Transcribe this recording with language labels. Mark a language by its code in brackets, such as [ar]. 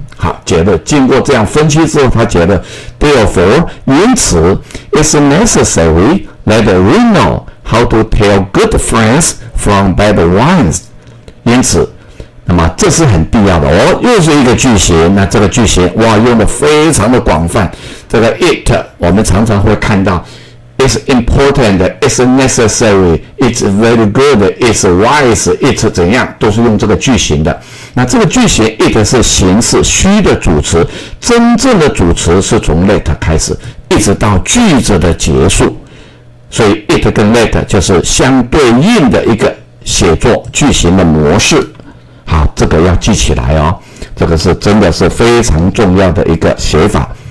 [zh] 好，结论经过这样分析之后，他结论 [en] Therefore， [zh] 因此 [en] It's necessary that we know how to tell good friends from bad ones。 [zh] 因此，那么这是很必要的。哦，又是一个句型，那这个句型哇用的非常的广泛。这个 it 我们常常会看到 [en] It's important, it's necessary, it's very good, it's wise, it's [zh] 怎样，都是用这个句型的。那这个句型 it 是形式虚的主词，真正的主词是从 let 开始，一直到句子的结束。所以 it 跟 let 就是相对应的一个写作句型的模式。好，这个要记起来哦，这个是真的是非常重要的一个写法。